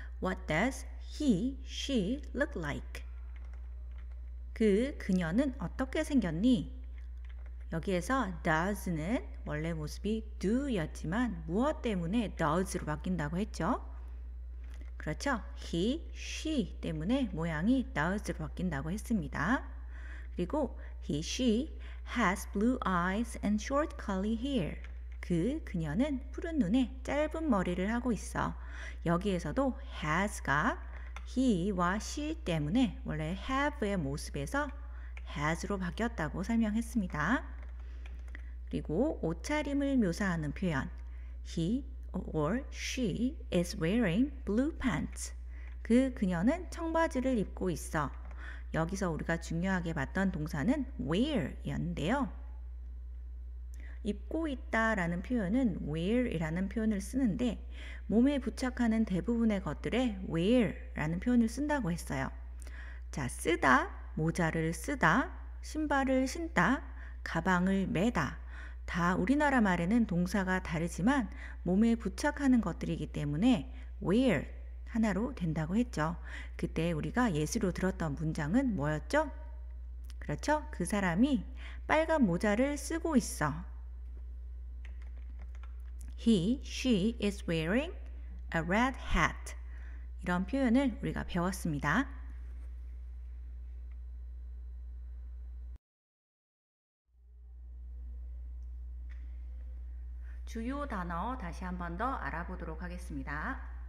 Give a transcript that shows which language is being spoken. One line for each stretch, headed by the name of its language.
English: What does he, she look like?
Korean: 그, 그녀는 어떻게 생겼니? 여기에서 does는 원래 모습이 do였지만 무엇 때문에 does로 바뀐다고 했죠? 그렇죠? he, she 때문에 모양이 does로 바뀐다고 했습니다.
English: 그리고 he, she has blue eyes and short curly hair.
Korean: 그, 그녀는 푸른 눈에 짧은 머리를 하고 있어. 여기에서도 has가 he와 she 때문에 원래 have의 모습에서 has로 바뀌었다고 설명했습니다. 그리고 옷차림을 묘사하는 표현
English: he or she is wearing blue pants.
Korean: 그, 그녀는 청바지를 입고 있어. 여기서 우리가 중요하게 봤던 동사는 wear였는데요. 입고 있다 라는 표현은 wear이라는 표현을 쓰는데 몸에 부착하는 대부분의 것들에 wear라는 표현을 쓴다고 했어요. 자, 쓰다, 모자를 쓰다, 신발을 신다, 가방을 메다 다 우리나라 말에는 동사가 다르지만 몸에 부착하는 것들이기 때문에 wear 하나로 된다고 했죠. 그때 우리가 예시로 들었던 문장은 뭐였죠? 그렇죠? 그 사람이 빨간 모자를 쓰고 있어.
English: He, she is wearing a red hat.
Korean: 이런 표현을 우리가 배웠습니다. 주요 단어 다시 한 번 더 알아보도록 하겠습니다.